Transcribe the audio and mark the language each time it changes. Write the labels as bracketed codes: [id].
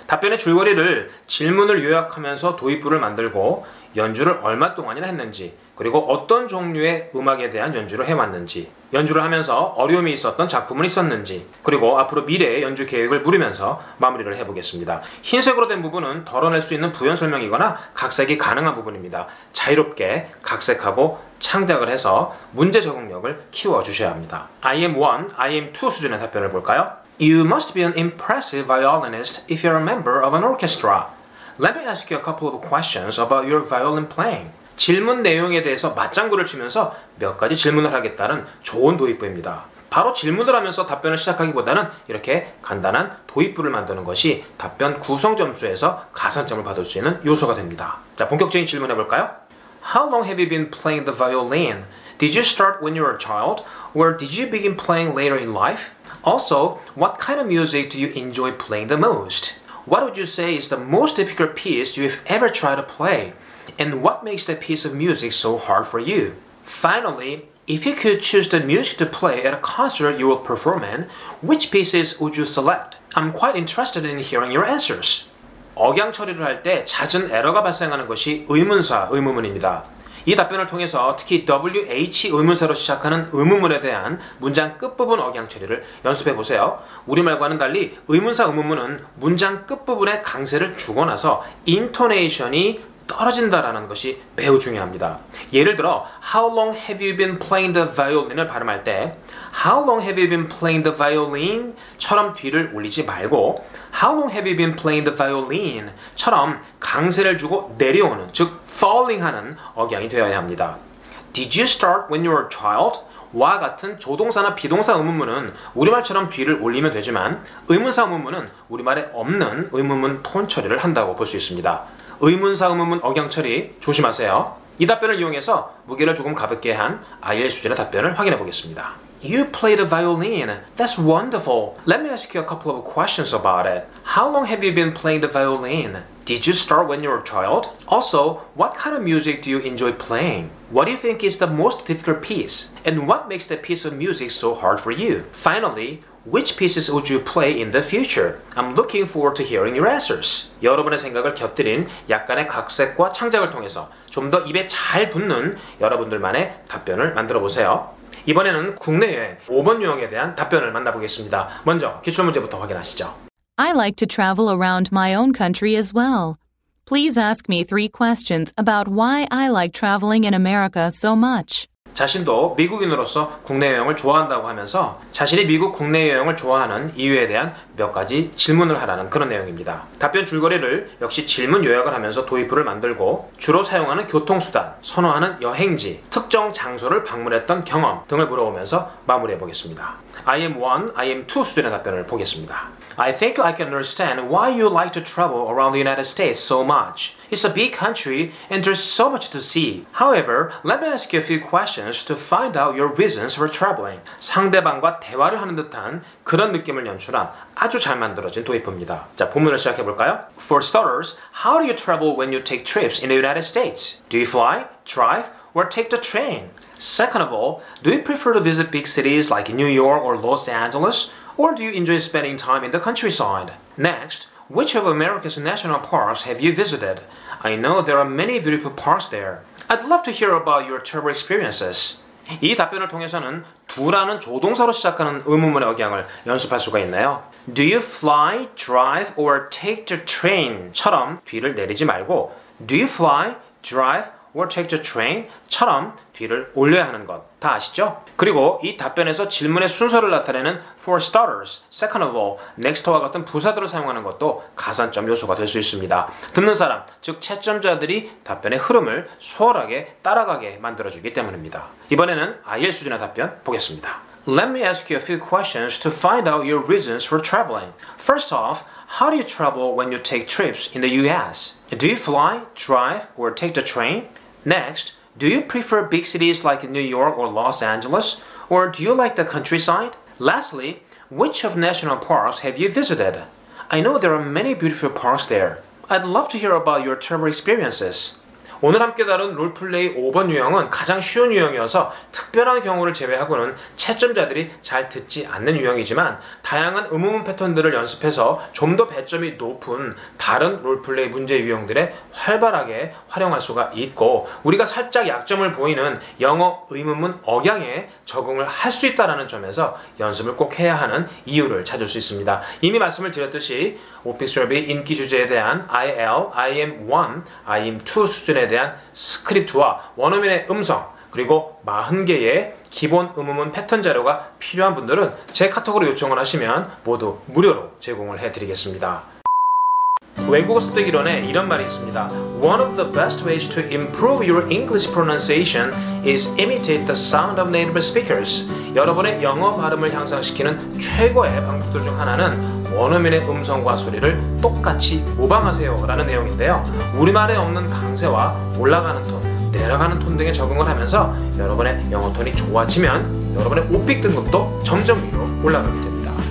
[ko] 답변의 줄거리를 질문을 요약하면서 도입부를 만들고 연주를 얼마 동안이나 했는지 그리고 어떤 종류의 음악에 대한 연주를 해왔는지 연주를 하면서 어려움이 있었던 작품은 있었는지 그리고 앞으로 미래의 연주 계획을 물으면서 마무리를 해보겠습니다. 흰색으로 된 부분은 덜어낼 수 있는 부연 설명이거나 각색이 가능한 부분입니다. 자유롭게 각색하고 창작을 해서 문제 적응력을 키워주셔야 합니다. IM1, IM2 수준의 답변을 볼까요? [en] You must be an impressive violinist if you're a member of an orchestra. Let me ask you a couple of questions about your violin playing. [ko] 질문 내용에 대해서 맞장구를 치면서 몇 가지 질문을 하겠다는 좋은 도입부입니다. 바로 질문을 하면서 답변을 시작하기보다는 이렇게 간단한 도입부를 만드는 것이 답변 구성 점수에서 가산점을 받을 수 있는 요소가 됩니다. 자, 본격적인 질문 해볼까요? [en] How long have you been playing the violin? Did you start when you were a child? Or did you begin playing later in life? Also, what kind of music do you enjoy playing the most? What would you say is the most difficult piece you've ever tried to play? And what makes that piece of music so hard for you? Finally, if you could choose the music to play at a concert you will perform in, which pieces would you select? I'm quite interested in hearing your answers. [ko] 억양 처리를 할 때 잦은 에러가 발생하는 것이 의문사, 의문문입니다. 이 답변을 통해서 특히 WH 의문사로 시작하는 의문문에 대한 문장 끝부분 억양 처리를 연습해 보세요. 우리말과는 달리 의문사 의문문은 문장 끝부분에 강세를 주고 나서 인토네이션이 떨어진다라는 것이 매우 중요합니다. 예를 들어 [en] How long have you been playing the violin [ko] 을 발음할 때 [en] How long have you been playing the violin? [ko] 처럼 뒤를 올리지 말고 [en] How long have you been playing the violin? [ko] 처럼 강세를 주고 내려오는 즉 falling 하는 억양이 되어야 합니다. [en] Did you start when you were a child? [ko] 와 같은 조동사나 비동사 의문문은 우리말처럼 뒤를 올리면 되지만 의문사 의문문은 우리말에 없는 의문문 톤 처리를 한다고 볼 수 있습니다. 의문사 의문문 억양 처리 조심하세요. 이 답변을 이용해서 무게를 조금 가볍게 한 아이의 수준의 답변을 확인해 보겠습니다. [en] You play the violin. That's wonderful. Let me ask you a couple of questions about it. How long have you been playing the violin? Did you start when you were a child? Also, what kind of music do you enjoy playing? What do you think is the most difficult piece? And what makes that piece of music so hard for you? Finally, which pieces would you play in the future? I'm looking forward to hearing your answers. [ko] 여러분의 생각을 곁들인 약간의 각색과 창작을 통해서 좀 더 입에 잘 붙는 여러분들만의 답변을 만들어 보세요. 이번에는 국내외 5번 유형에 대한 답변을 만나보겠습니다. 먼저 기출문제부터 확인하시죠. [en] I like to travel around my own country as well. Please ask me 3 questions about why I like traveling in America so much. [ko] 자신도 미국인으로서 국내 여행을 좋아한다고 하면서 자신이 미국 국내 여행을 좋아하는 이유에 대한 몇 가지 질문을 하라는 그런 내용입니다. 답변 줄거리를 역시 질문 요약을 하면서 도입부를 만들고 주로 사용하는 교통수단, 선호하는 여행지, 특정 장소를 방문했던 경험 등을 물어보면서 마무리해보겠습니다. IM1, IM2 수준의 답변을 보겠습니다. [en] I think I can understand why you like to travel around the United States so much. It's a big country and there's so much to see. However, let me ask you a few questions to find out your reasons for traveling. [ko] 상대방과 대화를 하는 듯한 그런 느낌을 연출한 아주 잘 만들어진 도입부입니다. 자, 본문을 시작해 볼까요? [en] For starters, how do you travel when you take trips in the United States? Do you fly, drive, or take the train? Second of all, do you prefer to visit big cities like New York or Los Angeles? Or do you enjoy spending time in the countryside? Next, which of America's national parks have you visited? I know there are many beautiful parks there. I'd love to hear about your travel experiences. [ko] 이 답변을 통해서는 do라는 조동사로 시작하는 의문문의 억양을 연습할 수가 있네요. [en] Do you fly, drive, or take the train? [ko] 처럼 뒤를 내리지 말고 [en] Do you fly, drive, or take the train? [ko] 처럼 뒤를 올려야 하는 것. 다 아시죠? 그리고 이 답변에서 질문의 순서를 나타내는 [en] for starters, second of all, next [ko] 와 같은 부사들을 사용하는 것도 가산점 요소가 될 수 있습니다. 듣는 사람, 즉 채점자들이 답변의 흐름을 수월하게 따라가게 만들어주기 때문입니다. 이번에는 IELTS 수준의 답변 보겠습니다. [en] Let me ask you a few questions to find out your reasons for traveling. First off, how do you travel when you take trips in the US? Do you fly, drive, or take the train? Next, Do you prefer big cities like New York or Los Angeles? Or do you like the countryside? Lastly, which of national parks have you visited? I know there are many beautiful parks there. I'd love to hear about your travel experiences. [ko] 오늘 함께 다룬 롤플레이 5번 유형은 가장 쉬운 유형이어서 특별한 경우를 제외하고는 채점자들이 잘 듣지 않는 유형이지만 다양한 의문문 패턴들을 연습해서 좀 더 배점이 높은 다른 롤플레이 문제 유형들에 활발하게 활용할 수가 있고 우리가 살짝 약점을 보이는 영어 의문문 억양에 적응을 할 수 있다는 점에서 연습을 꼭 해야 하는 이유를 찾을 수 있습니다. 이미 말씀을 드렸듯이 오픽스럽의 인기 주제에 대한 IL, IM1, IM2 수준에 대한 스크립트와 원어민의 음성 그리고 40개의 기본 음음은 패턴 자료가 필요한 분들은 제 카톡으로 요청을 하시면 모두 무료로 제공을 해드리겠습니다. 외국어 습득 이론에 이런 말이 있습니다. [en] One of the best ways to improve your English pronunciation is imitate the sound of native speakers. [ko] 여러분의 영어 발음을 향상시키는 최고의 방법들 중 하나는 원어민의 음성과 소리를 똑같이 모방하세요 라는 내용인데요. 우리말에 없는 강세와 올라가는 톤, 내려가는 톤 등에 적응을 하면서 여러분의 영어 톤이 좋아지면 여러분의 오픽 등급도 점점 위로 올라가게 됩니다.